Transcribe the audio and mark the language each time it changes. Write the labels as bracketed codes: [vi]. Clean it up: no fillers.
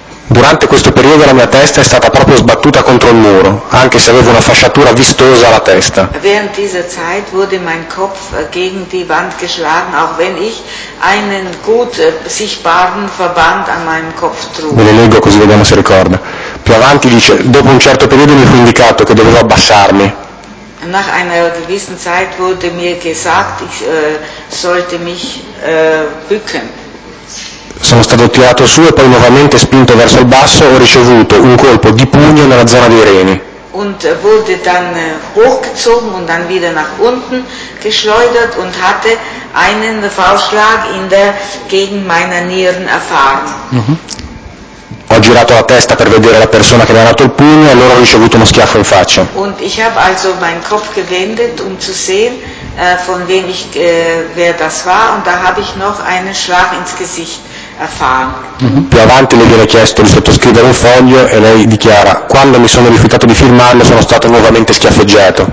[it] Durante questo periodo la mia testa è stata proprio sbattuta contro il muro, anche se avevo una fasciatura vistosa alla testa. [de] Während dieser Zeit wurde mein Kopf gegen die Wand geschlagen, auch wenn ich einen gut sichtbaren Verband an meinem Kopf trug. [it] Me le leggo così vediamo se ricorda. Più avanti dice: dopo un certo periodo mi fu indicato che dovevo abbassarmi. [de] Nach einer gewissen Zeit wurde mir gesagt, ich sollte mich bücken. [it] Sono stato tirato su e poi nuovamente spinto verso il basso, ho ricevuto un colpo di pugno nella zona dei reni. [de] Und wurde dann hochgezogen und dann wieder nach unten geschleudert und hatte einen Faustschlag in der Gegend meiner Nieren erfahren. [it] Ho girato la testa per vedere la persona che mi ha dato il pugno e allora ho ricevuto uno schiaffo in faccia. [de] Und ich habe also meinen Kopf gewendet um zu sehen von wem ich wer das war und da habe ich noch einen Schlag ins Gesicht. [it] Più avanti le viene chiesto di sottoscrivere un foglio e lei dichiara: quando mi sono rifiutato di firmarlo sono stato nuovamente schiaffeggiato.